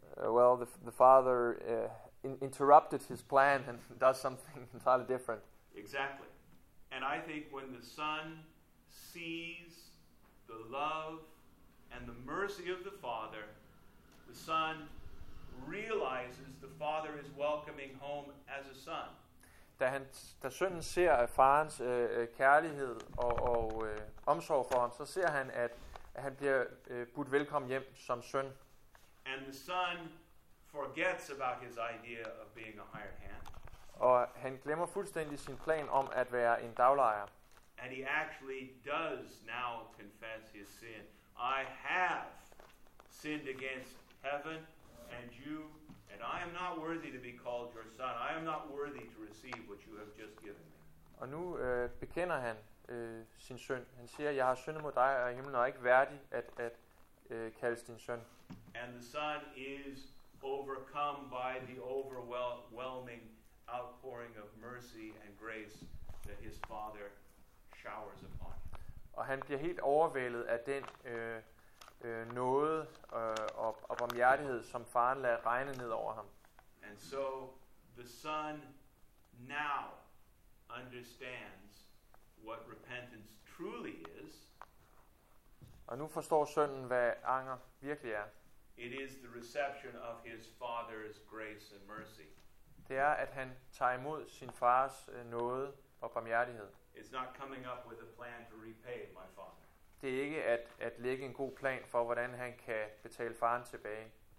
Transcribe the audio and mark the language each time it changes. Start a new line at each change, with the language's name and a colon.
English: Well, the father interrupted his plan and does something entirely different. Exactly. And I think when the son sees the love and the mercy of the father, the son realizes the father is welcoming home as a son.
Danish: Da sønnen ser farens kærlighed og omsorg for ham, så ser han, at han bliver budt velkommen hjem som søn.
English: And the son forgets about his idea of being a hired hand.
Danish: Og han glemmer fuldstændig sin plan om at være en daglejer.
English: And he actually does now confess his sin. I have sinned against heaven and you. And I am not worthy to be called your son. I am not worthy to receive what you have just given me.
Danish: Og nu bekender han sin synd. Han siger, jeg har syndet mod dig og himlen, og er ikke værdig at kaldes din søn.
English: And the son is overcome by the overwhelming outpouring of mercy and grace that his father showers upon him.
Danish: Og han bliver helt overvældet af den nåde og barmhjertighed, som faren lader regne ned over ham.
English: And so the son now understands what repentance truly is.
Danish: Og nu forstår sønnen, hvad anger virkelig er.
English: It is the reception of his father's grace and mercy.
Danish: Det er, at han tager imod sin fars nåde og barmhjertighed.
English: It's not coming up with a plan to repay my father.
Danish: Det er ikke at lægge en god plan for, hvordan han kan betale faren tilbage.